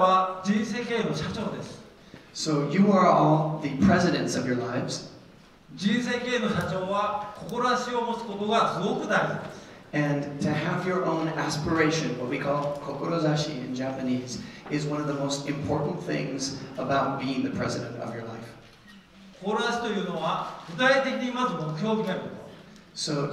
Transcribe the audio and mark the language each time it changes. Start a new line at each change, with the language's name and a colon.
Japanese: あなた方は人生経営の社長です。
English: So you are all the presidents of your lives.
Japanese: 人生経営の社長は志を持つことがすごく大事です。And
English: to have your own aspiration, what we call kokorozashi in Japanese, is one of the most important things about being the president of your life.
Japanese: 志というのは具体的にまず目標を決めること。So